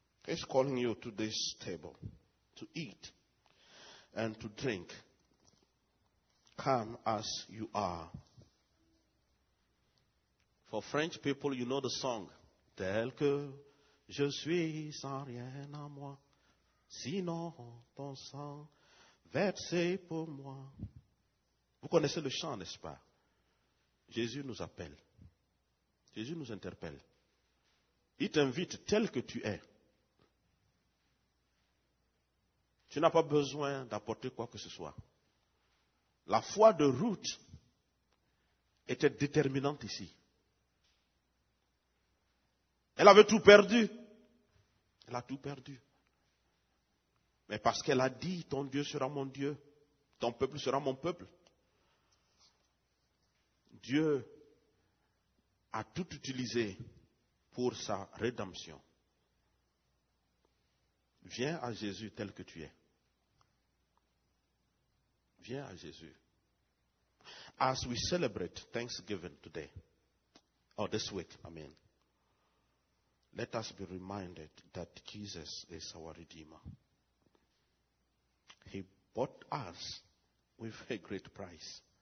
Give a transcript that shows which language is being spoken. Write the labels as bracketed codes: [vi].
[en] He's calling you to this table to eat and to drink. Come as you are. For French people, you know the song. [fr] Tel que je suis sans rien à moi, sinon ton sang versé pour moi. Vous connaissez le chant, n'est-ce pas? Jésus nous appelle. Jésus nous interpelle. Il t'invite tel que tu es. Tu n'as pas besoin d'apporter quoi que ce soit. La foi de Ruth était déterminante ici. Elle avait tout perdu. Elle a tout perdu. Mais parce qu'elle a dit, ton Dieu sera mon Dieu, ton peuple sera mon peuple. Dieu a tout utilisé pour sa rédemption. Viens à Jésus tel que tu es. Viens à Jésus. [en] As we celebrate Thanksgiving today, or this week, I mean, let us be reminded that Jesus is our Redeemer. He bought us with a great price.